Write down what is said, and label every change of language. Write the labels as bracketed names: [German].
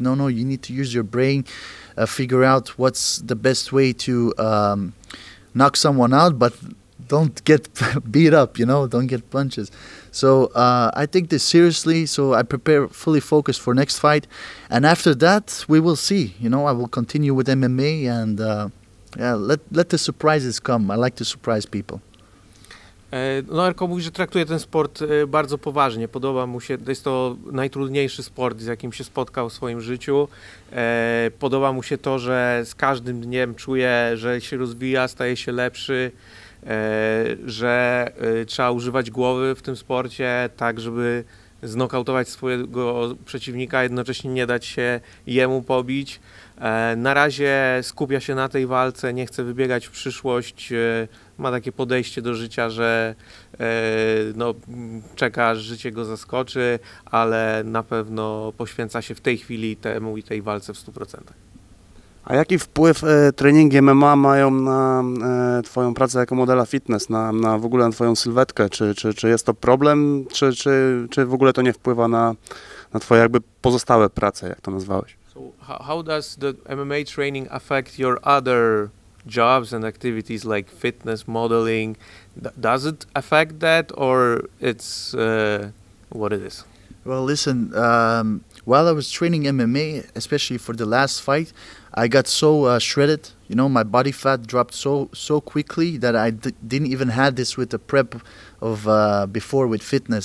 [English] No, you need to use your brain, figure out what's the best way to knock someone out, but don't get beat up, you know, don't get punches. So I take this seriously, so I prepare fully focused for next fight. And after that, we will see, you know, I will continue with MMA and let the surprises come. I like to surprise people. [Polish] No, Erko mówi, że traktuje ten sport bardzo poważnie, podoba mu się, jest to najtrudniejszy sport, z jakim się spotkał w swoim życiu. Podoba mu się to, że z każdym dniem czuje, że się rozwija, staje się lepszy, że trzeba używać głowy w tym sporcie, tak żeby znokautować swojego przeciwnika, jednocześnie nie dać się jemu pobić. Na razie skupia się na tej walce, nie chce wybiegać w przyszłość. Ma takie podejście do życia, że no, czeka, aż życie go zaskoczy, ale na pewno poświęca się w tej chwili temu i tej walce w 100%. A jaki wpływ treningi MMA mają na twoją pracę jako modela fitness, na w ogóle na twoją sylwetkę? Czy jest to problem, czy w ogóle to nie wpływa na twoje jakby pozostałe prace, jak to nazwałeś? [English] So how does the MMA training affect your other jobs and activities like fitness, modeling? Does it affect that, or it's what it is? Well, listen, while I was training MMA, especially for the last fight, I got so shredded, you know, my body fat dropped so quickly that I didn't even have this with the prep of before with fitness.